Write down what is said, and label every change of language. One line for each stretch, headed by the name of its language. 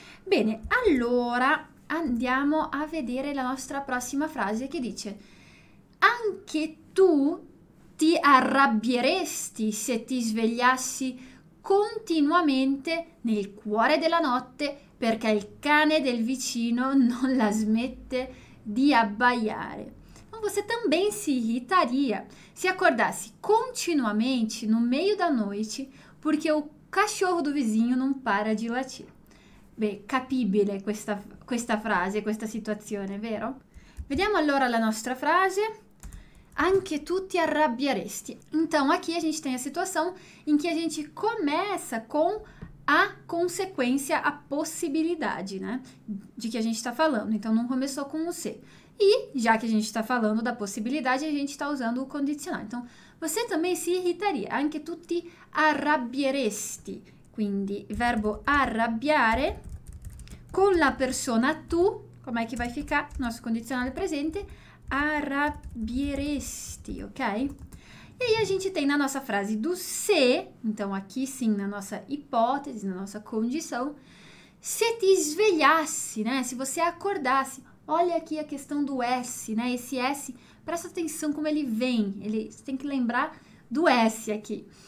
Italian: Bene, allora andiamo a vedere la nostra prossima frase che dice anche tu ti arrabbieresti se ti svegliassi continuamente nel cuore della notte perché il cane del vicino non la smette di abbaiare.
Portuguese: Ma você também se irritaria se acordasse continuamente no meio da noite porque o cachorro do vizinho não para de latir.
Italian: Beh, capibile questa frase, questa situazione, vero? Vediamo allora la nostra frase. Anche tu ti arrabbieresti.
Portuguese: Então, aqui a gente tem a situação em que a gente começa com a consequência, a possibilidade, né? De que a gente está falando. Então, não começou com o se. E, já que a gente está falando da possibilidade, a gente está usando o condicional. Então, você também se irritaria.
Italian: Anche tu ti arrabbieresti. Quindi, verbo arrabbiare con la persona tu, com'è che vai ficar?
Portuguese: Nosso condizionale presente.
Italian: Arrabbieresti, ok?
Portuguese: E aí a gente tem na nossa frase do se, então aqui sim, na nossa hipótese, na nossa condição,
Italian: se ti svegliassi,
Portuguese: né? Se você acordasse, olha aqui a questão do S, né? Esse S, presta atenção como ele vem, você tem que lembrar do S aqui.